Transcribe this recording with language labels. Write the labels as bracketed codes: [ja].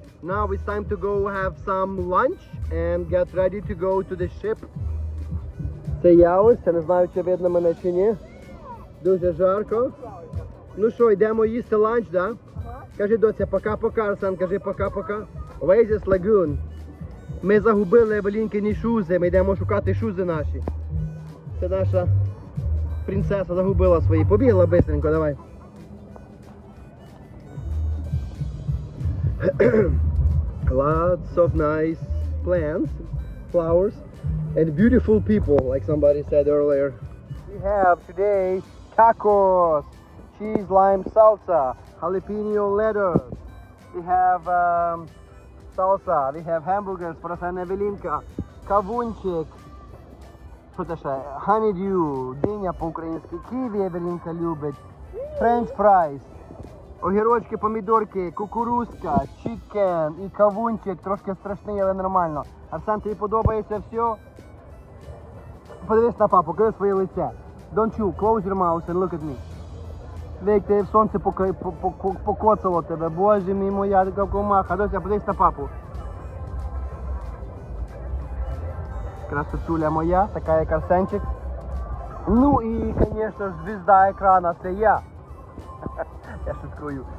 [en] Now it's time to go have some lunch and get ready to go to the ship. [uk] Це яось, це не знаю, чи видно мене чи ні. Дуже жарко. Ну що, йдемо їсти ланч, да? Кажи, доця, пока-пока, Арсен, кажи пока-пока. [en] Oasis Lagoon. [uk] Ми загубили Евелінкині шузи, ми йдемо шукати шузи наші. Це наша принцеса загубила свої. Побігла бистренько, давай. [en] Lots of nice plants, flowers, and beautiful people, like somebody said earlier. We have today tacos, cheese, lime, salsa, jalapeno lettuce. We have salsa, we have hamburgers for Sanna Evelinka, kavunchik, honeydew, [uk] dynia po-ukrainsky, [en] kiwi Evelinka любит, french fries. [uk] Огірочки, помідорки, кукурузка, чікен і кавунчик. Трошки страшний, але нормально. Арсен, тобі подобається все? Подивись на папу, криви своє лице. [en] Don't you close your mouth and look at me. [uk] Вик, тебе сонце покоцало тебе. Боже мій, моя така комаха. Дося, подивись на папу. Красотуля моя, така як Арсенчик. Ну і, звісно ж, звізда екрана, це я. Я шуткую.